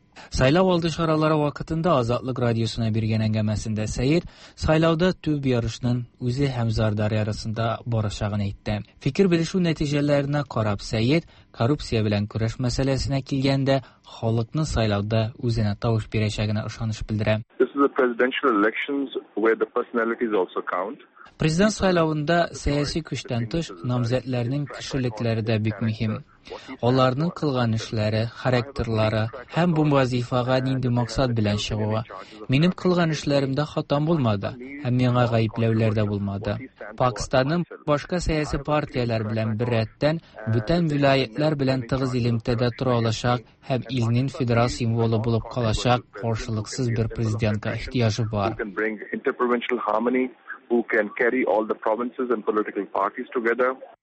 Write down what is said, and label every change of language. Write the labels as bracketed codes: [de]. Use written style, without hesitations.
[tt] Сайлау алды шаралары вакытында Азатлык радиосына биргән әңгәмәсендә Сәйет сайлауда төп ярышның үзе һәм Зардари арасында барышагын әйтте. Фикер белешү нәтиҗәләренә карап Сәйет коррупция белән көрәш мәсьәләсенә килгәндә халыкны сайлауда үзенә тавыш бирәчәгенә ышаныч белдерә. [en] This is the presidential elections where the personalities also count. [tt] Президент сайлауында сәяси күчтән тыш намзәтләрнең кешелекләре дә бик мөһим. Аларның кылган эшләре, характерлары һәм бу вазифага нинди максат белән чыгуы. Минем кылган эшләремдә хата булмады, һәм миңа гаепләүләр дә булмады. Пакистанның башка сәяси партияләр белән бирәттән бүтән вилаятлар белән тыгыз илемтәдә тора алачак һәм илнең федераль символы булып калачак каршылыксыз бер президентка ихтиҗы бар. [en] Who can carry all the provinces and political parties together?